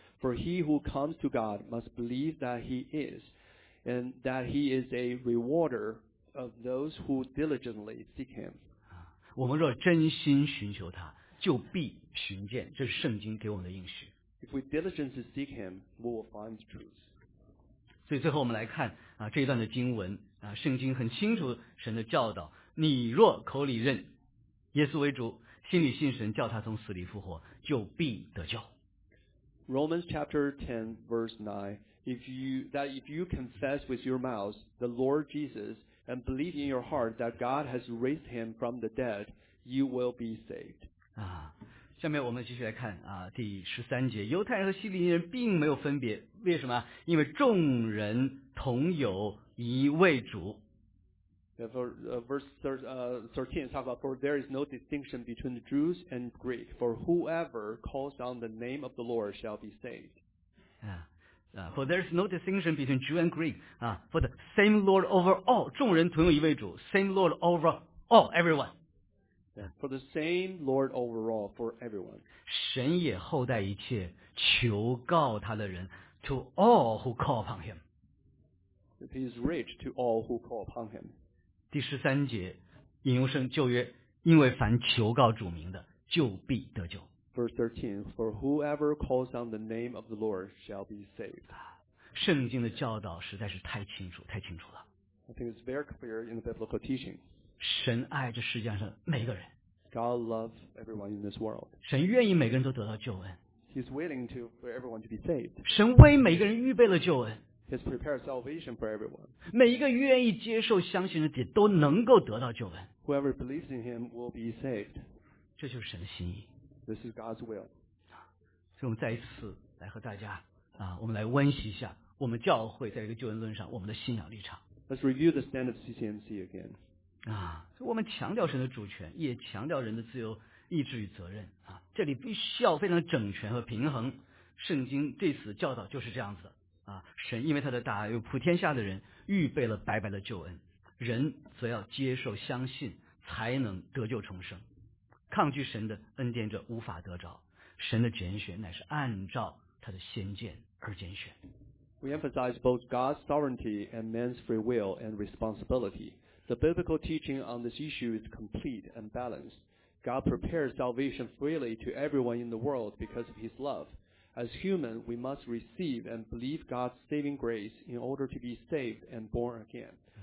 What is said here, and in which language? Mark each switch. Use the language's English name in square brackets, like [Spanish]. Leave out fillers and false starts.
[English] For he who comes to God must believe that he is, and that he is a rewarder of those who diligently seek him. [Chinese] 我们若真心寻求他，就必寻见，这是圣经给我们的应许。 [English] If we diligently seek him, we will find the truth. [Chinese] 所以最后我们来看这一段的经文圣经很清楚神的教导，你若口里认耶稣为主，心里信神叫他从死里复活，就必得救。 [English] Romans chapter 10 verse 9, if you confess with your mouth the Lord Jesus and believe in your heart that God has raised him from the dead, you will be saved. [Chinese] 下面我们继续来看第十三节，犹太人和希利尼人并没有分别，为什么？因为众人同有一位主。 [English] Verse 13 talks about, For there is no distinction between the Jews and Greek, for whoever calls on the name of the Lord shall be saved. For there is no distinction between Jew and Greek, for the same Lord over all, [Chinese] 众人同有一位主, [English] same Lord over all, everyone. For the same Lord over all, for everyone. [Chinese] 神也厚待一切求告他的人, [English] to all who call upon him. If he is rich to all who call upon him. [Chinese] 第十三节引用圣旧约，因为凡求告主名的就必得救。 [English] Verse 13, For whoever calls on the name of the Lord shall be saved. [Chinese] 圣经的教导实在是太清楚，太清楚了。 [English] I think it's very clear in the biblical teaching. [Chinese] 神爱这世界上每个人。 [English] God loves everyone in this world. [Chinese] 神愿意每个人都得到救恩。 [English] He's willing to, for everyone to be saved. [Chinese] 神为每个人预备了救恩。 [English] He's prepared salvation for everyone. [Chinese] 每一个愿意接受相信的人都能够得到救恩。 [English] Whoever believes in him will be saved. [Chinese] 这就是神的心意。 [English] This is God's will. [Chinese] 所以我们再一次来和大家我们来温习一下我们教会在这个救恩论上我们的信仰立场。 [English] Let's review the stand of CCMC again. [Chinese] 所以我们强调神的主权，也强调人的自由意志与责任这里必须要非常整全和平衡，圣经这次教导就是这样子的。神因为他的大爱，又普天下的人预备了白白的救恩，人则要接受相信才能得救重生，抗拒神的恩典者无法得着，神的拣选乃是按照他的先见而拣选。 [English] We emphasize both God's sovereignty and man's free will and responsibility. The biblical teaching on this issue is complete and balanced. God prepares salvation freely to everyone in the world because of his loveAs human, we must receive and believe God's saving grace in order to be saved and born again.